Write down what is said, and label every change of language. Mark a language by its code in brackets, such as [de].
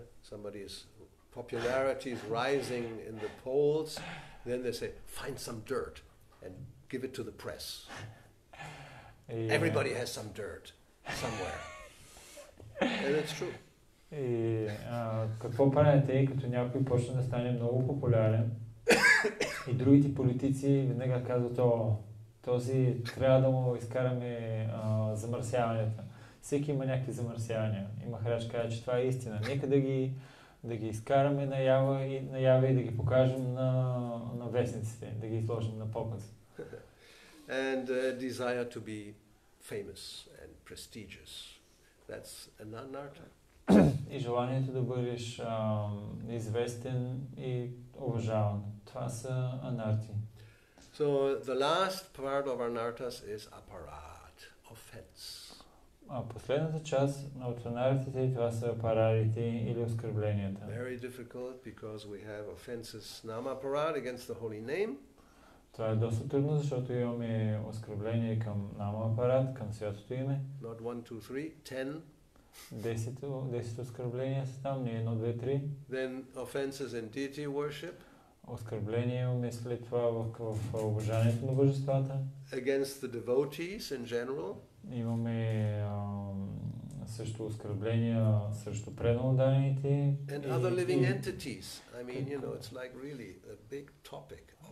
[en] Somebody's popularity is rising in the polls. Then they say, find some dirt and give it to the press. Yeah. Everybody has some dirt somewhere. And it's true. [bg] И какво правите, като някой почне да стане много популярен и другите политици веднага казват, този трябва да му изкараме замърсяванията. Всеки има някакви замърсявания. И Махарадж каза, че това е истина. Нека да ги изкараме наява и да ги покажем на вестниците, да ги изложим на показ. [en] And desire to be famous and prestigious. That's an anarta. [bg] И желанието да бъдеш известен и уважаван. Това са анарти. [en] So the last part of anartas is aparad, offense. [bg] А последната част на анартите, това са апарадите или оскърбленията. [en] Very difficult because we have offenses namaparad against the holy name. [bg] Това е доста трудно, защото имаме оскърбление към намапарад, към святото име. [en] Not 1, 2, 3, 10. [bg] 10 оскърбления са там, не 1, 2, 3. [en] Then offenses in deity worship. [bg] Оскърбление имаме след това в обожанието на божествата. [en] Against the devotees in general. [bg] Имаме също оскърбления срещу преданите. [en] And other living entities. I mean, you know, it's like really a big topic.